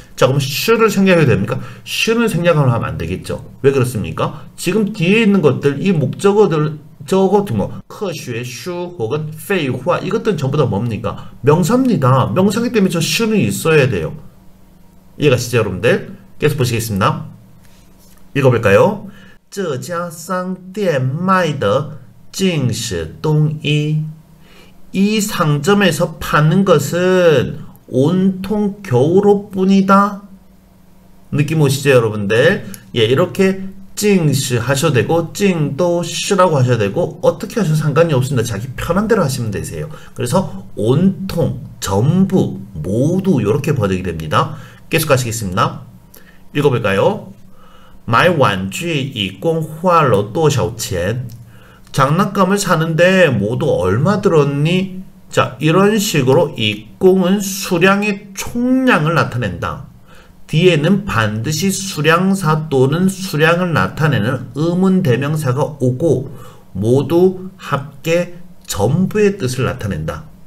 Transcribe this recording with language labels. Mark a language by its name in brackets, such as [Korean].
[Korean] 자, 그럼 should을 생략해야 됩니까? should을 생략하면 하면 안 되겠죠. 왜 그렇습니까? 지금 뒤에 있는 것들, 이 목적어들 저것도 뭐 科学, 슈 혹은 废话 이것들 전부 다 뭡니까? 명사입니다. 명사기 때문에 저 슈는 있어야 돼요. 이해가시죠, 여러분들? 계속 보시겠습니다. 읽어볼까요? [Chinese] 这家商店卖的竟是冬衣. [Korean] 이 상점에서 파는 것은 온통 겨울옷뿐이다. 느낌 오시죠, 여러분들? 예, 이렇게 찡시 하셔도 되고 찡도시라고 하셔도 되고 어떻게 하셔도 상관이 없습니다. 자기 편한 대로 하시면 되세요. 그래서 온통, 전부, 모두 이렇게 번역이 됩니다. 계속 하시겠습니다. 읽어볼까요? [Chinese] 买玩具一共花了多少钱? [Korean] 장난감을 사는데 모두 얼마 들었니? 자, 이런 식으로 이 공은 수량의 총량을 나타낸다. 뒤에는 반드시 수량사 또는 수량을 나타내는 의문대명사가 오고 모두 합계 전부의 뜻을 나타낸다.